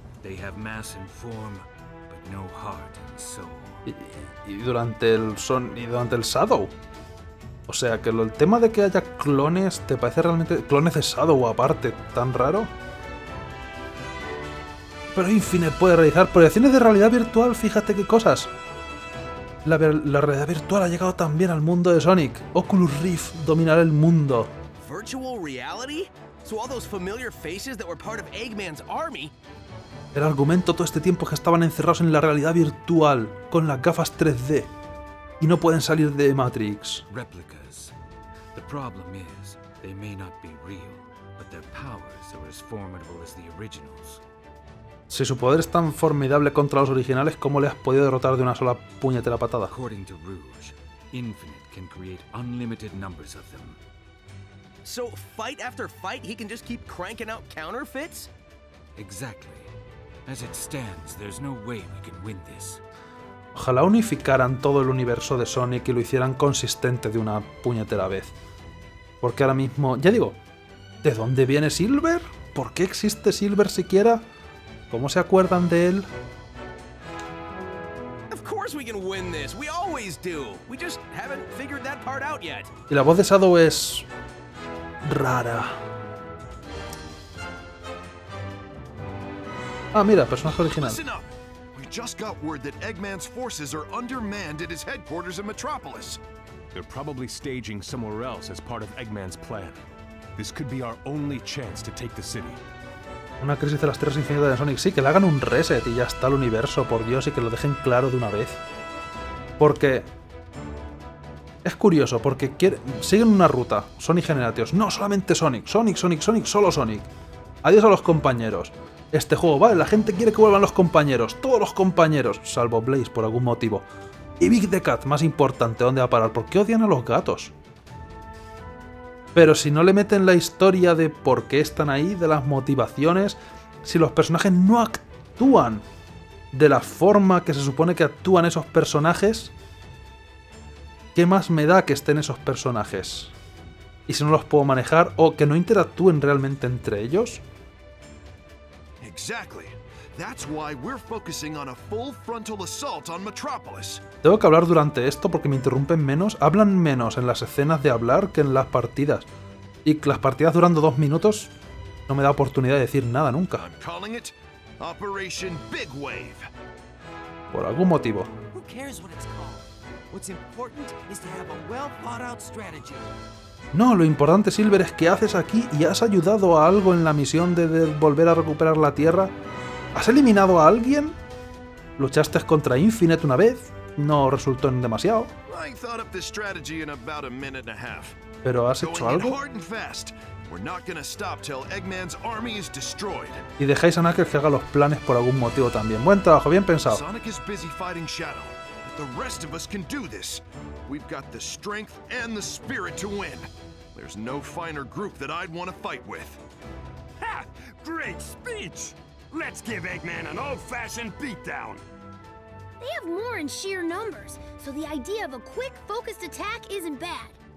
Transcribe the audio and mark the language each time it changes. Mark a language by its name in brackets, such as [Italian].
[English] They have mass and form, but no heart and soul. [Spanish] Y durante el Shadow? O sea, que el tema de que haya clones, ¿te parece realmente clones de Shadow aparte tan raro? Pero Infinite puede realizar proyecciones de realidad virtual, fíjate qué cosas. La realidad virtual ha llegado también al mundo de Sonic. Oculus Rift dominará el mundo. [English] ¿Virtual reality? So all those familiar faces that were part of Eggman's army. [Spanish] El argumento todo este tiempo es que estaban encerrados en la realidad virtual, con las gafas 3D. Y no pueden salir de Matrix. [English] Replicas. The problem is, they may not be real, but their powers are as formidable as the originals. [Spanish] Si su poder es tan formidable contra los originales, ¿cómo le has podido derrotar de una sola puñetera patada? [English] According to Rouge, Infinite can create unlimited numbers of them. So, fight after fight, he can just keep cranking out counterfeits? Exactly. As it stands, there's no way we can win this. [Spanish] Ojalá unificaran todo el universo de Sonic y lo hicieran consistente de una puñetera vez. Porque ahora mismo, ya digo, ¿de dónde viene Silver? ¿Por qué existe Silver siquiera? ¿Cómo se acuerdan de él? Y la voz de Shadow es... rara. Ah, mira, personaje original. [English] Just got word that Eggman's forces are undermanned at his headquarters in Metropolis. They're probably staging somewhere else as part of Eggman's plan. This could be our only chance to take the city. [Spanish] Una crisis de las tierras infinitas de Sonic. Sí, que le hagan un reset y ya está el universo, por Dios, y que lo dejen claro de una vez. Porque... es curioso, porque siguen una ruta. Sonic Generations. No, solamente Sonic. Sonic, Sonic, Sonic, solo Sonic. Adiós a los compañeros. Este juego, vale, la gente quiere que vuelvan los compañeros, todos los compañeros, salvo Blaze por algún motivo. Y Big the Cat, más importante, ¿dónde va a parar? ¿Por qué odian a los gatos? Pero si no le meten la historia de por qué están ahí, de las motivaciones, si los personajes no actúan de la forma que se supone que actúan esos personajes, ¿qué más me da que estén esos personajes? ¿Y si no los puedo manejar o que no interactúen realmente entre ellos? [English] Exactly. That's why we're focusing on a full frontal assault on Metropolis. [Spanish] Tengo que hablar durante esto porque me interrumpen menos. Hablan menos en las escenas de hablar que en las partidas. Y las partidas durando 2 minutos no me da oportunidad de decir nada nunca. [English] I'm calling it Operation Big Wave. [Spanish] Por algún motivo. [English] Who cares what it's called? What's important is to have a well thought out strategy. [Spanish] No, lo importante, Silver, es que haces aquí y has ayudado a algo en la misión de volver a recuperar la Tierra. ¿Has eliminado a alguien? ¿Luchaste contra Infinite una vez? No resultó en demasiado. [English] I thought up this strategy in about a minute and a half. [Spanish] ¿Pero has hecho algo? [English] Hard and fast. We're not gonna stop till Eggman's army is destroyed. [Spanish] Y dejáis a Knuckles que haga los planes por algún motivo también. Buen trabajo, bien pensado. [English] Sonic is busy fighting Shadow. The rest of us can do this. We've got the strength and the spirit to win. There's no finer group that I'd want to fight with. Ha! Great speech! Let's give Eggman an old-fashioned beatdown. They have more in sheer numbers, so the idea of a quick, focused attack isn't bad.